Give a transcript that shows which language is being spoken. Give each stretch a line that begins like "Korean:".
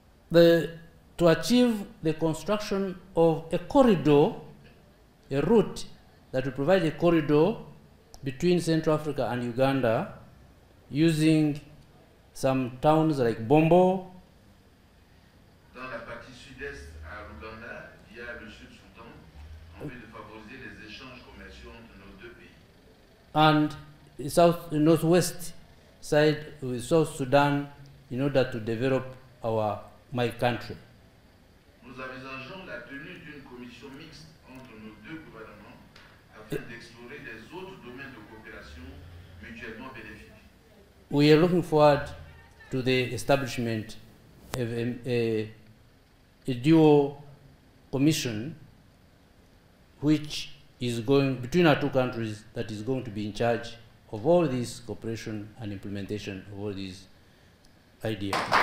English: To achieve the construction of a corridor, a route that will provide a corridor between Central Africa and Uganda using some towns like Bombo.
French: Dans la partie sud-est à Uganda, via le Sud-Soudan, en vue de favoriser les échanges commerciaux entre nos deux pays.
English: And northwest side with South Sudan in order to develop my country.
French: Nous envisageons la tenue d'une commission mixte entre nos deux gouvernements afin d'explorer les autres domaines de coopération mutuellement bénéfiques.
English: We are looking forward to the establishment of a dual commission which is going between our two countries that is going to be in charge of all this cooperation and implementation of all these ideas.